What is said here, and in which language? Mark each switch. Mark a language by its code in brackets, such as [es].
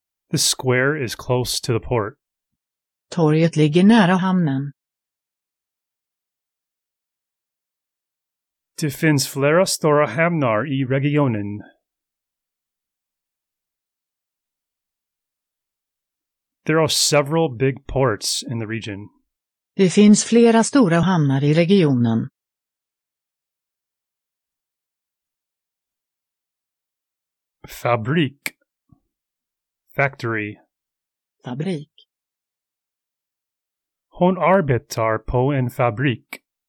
[en] The square is close to the port. [sv] Torget ligger nära hamnen. Det finns flera stora hamnar i regionen. [en] There are several big ports in the region. [sv] Det finns flera stora hamnar i regionen. Fabrik. [en] Factory. [sv] Fabrik. Hon arbetar på en fabrik.